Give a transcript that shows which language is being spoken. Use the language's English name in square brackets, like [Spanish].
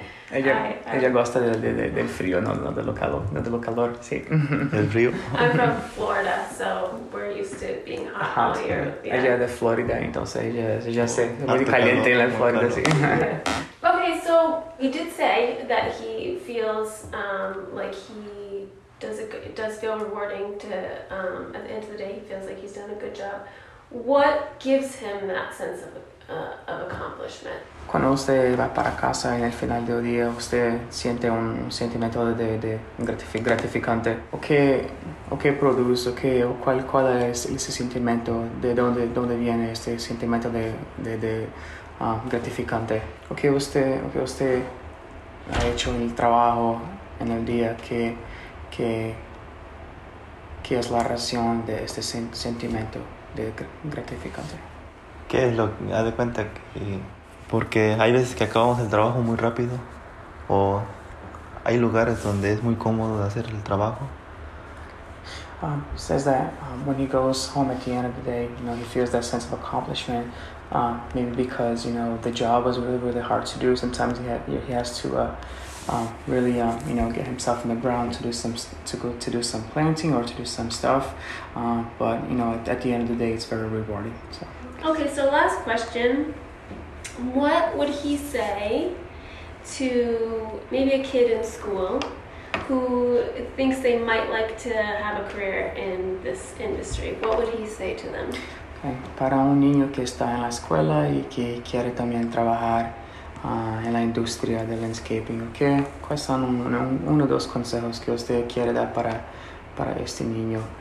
[Spanish] Ella gusta del frío, no de lo calor, no de lo calor, sí. El frío. [English] I'm from Florida, so we're used to being hot all year. Yeah. [Spanish] Ella de Florida, entonces ella se muy caliente en la Florida, calor. Sí. [English] Yeah. You did say that he feels like he does feel rewarding to, at the end of the day, he feels like he's done a good job. What gives him that sense of accomplishment? [Spanish] Cuando usted va para casa en el final del día, usted siente un sentimiento de gratificante. ¿O qué produce? ¿Cuál es ese sentimiento? ¿De dónde viene este sentimiento de gratificante? ¿O qué usted ha hecho el trabajo en el día que es la razón de este sentimiento de gratificante? ¿Qué es lo que ha de cuenta? Porque hay veces que acabamos el trabajo muy rápido o Hay lugares donde es muy cómodo hacer el trabajo. [English] Says that when he goes home at the end of the day, you know, he feels that sense of accomplishment. Maybe because, you know, the job was really, really hard to do. Sometimes he has to get himself in the ground to do some planting or to do some stuff. But you know, at the end of the day, it's very rewarding. So. Okay, so last question. What would he say to maybe a kid in school who thinks they might like to have a career in this industry? What would he say to them? Okay. [Spanish] Para un niño que está en la escuela y que quiere también trabajar en la industria del landscaping, okay? ¿Cuáles son uno o dos consejos que usted quiere dar para este niño?